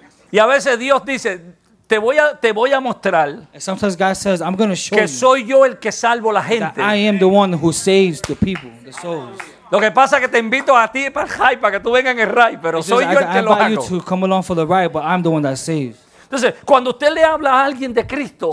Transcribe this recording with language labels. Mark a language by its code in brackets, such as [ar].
[es] Y a veces Dios dice, te voy a mostrar. [en] And sometimes God says, I'm going to show [es] que [en] you [es] soy yo el que salvo la gente. [en] That I am the one who saves the people, the souls. [es] Lo que pasa es que te invito a ti para el high, para que tú vengas en el ride, pero soy yo el que lo hago. [en] I invite you to come along for the ride, but I'm the one that saves. [es] Entonces, cuando usted le habla a alguien de Cristo,